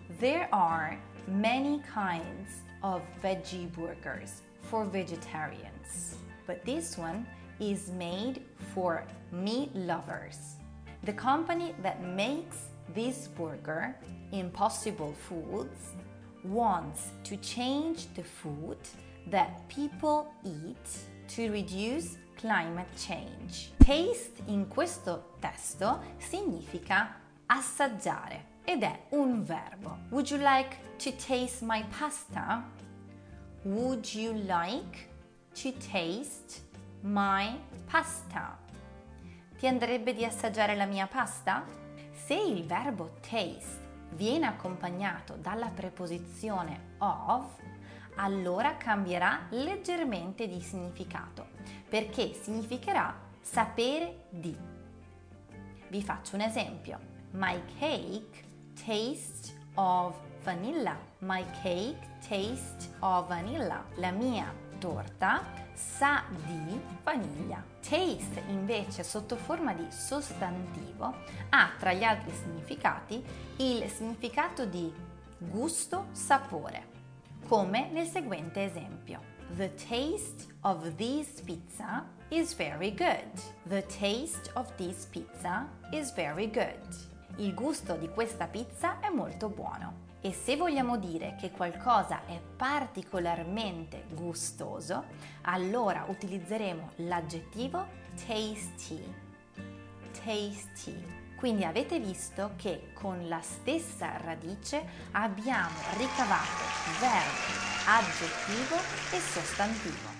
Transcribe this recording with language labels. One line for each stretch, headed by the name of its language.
English: There are many kinds of veggie burgers for vegetarians, but this one is made for meat lovers. The company that makes this burger, Impossible Foods, wants to change the food that people eat to reduce climate change.
Italian: Taste in questo testo significa assaggiare ed è un verbo.
English: Would you like to taste my pasta? Would you like to taste my pasta?
Italian: Ti andrebbe di assaggiare la mia pasta? Se il verbo taste viene accompagnato dalla preposizione of, allora cambierà leggermente di significato, perché significherà sapere di. Vi faccio un esempio.
English: My cake tastes of vanilla. My cake tastes of vanilla.
Italian: La mia torta sa di vaniglia. Taste, invece, sotto forma di sostantivo, ha tra gli altri significati il significato di gusto, sapore, come nel seguente esempio.
English: The taste of this pizza is very good. The taste of this pizza is very good.
Italian: Il gusto di questa pizza è molto buono. E se vogliamo dire che qualcosa è particolarmente gustoso, allora utilizzeremo l'aggettivo tasty. Tasty. Quindi avete visto che con la stessa radice abbiamo ricavato verbo, aggettivo e sostantivo.